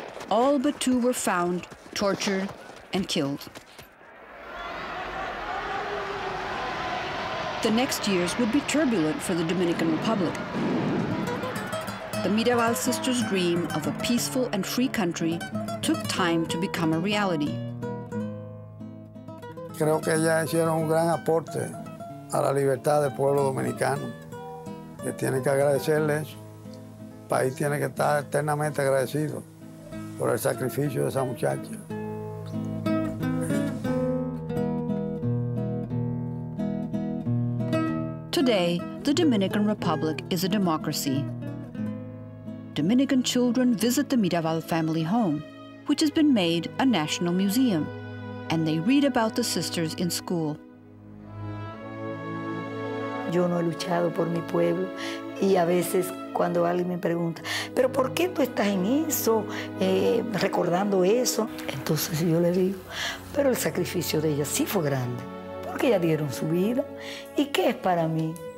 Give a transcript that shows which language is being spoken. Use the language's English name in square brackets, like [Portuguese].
[English] All but two were found, tortured, and killed. The next years would be turbulent for the Dominican Republic. The Mirabal sisters' dream of a peaceful and free country took time to become a reality. [Spanish] Creo que ellas hicieron un gran aporte a la libertad del pueblo dominicano. Y tienen que agradecerles. El país tiene que estar eternamente agradecido por el sacrificio de esa muchacha. [English] Today, the Dominican Republic is a democracy. Dominican children visit the Mirabal family home, which has been made a national museum, and they read about the sisters in school. [Spanish] Yo no he luchado por mi pueblo, y a veces cuando alguien me pregunta, pero ¿por qué tú estás en eso, recordando eso? Entonces yo le digo, pero el sacrificio de ellas sí fue grande, porque ellas dieron su vida. ¿Y qué es para mí?